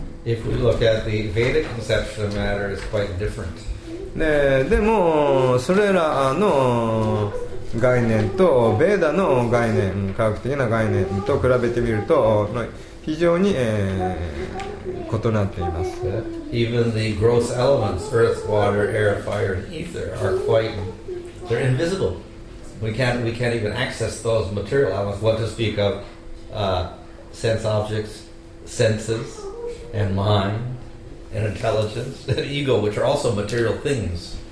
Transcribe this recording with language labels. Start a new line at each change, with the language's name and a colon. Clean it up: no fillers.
English: If we look at the Vedic conception of matter, it's quite different.
Japanese: でもそれらの概念とベーダの概念、科学的な概念と比べてみると非常に、異なっています。
English: Even the gross elements, earth, water, air, fire, and ether are quite, they're invisible. We can't even access those material elements. What to speak of sense objects, senses and mind and intelligence and ego, which are also material things.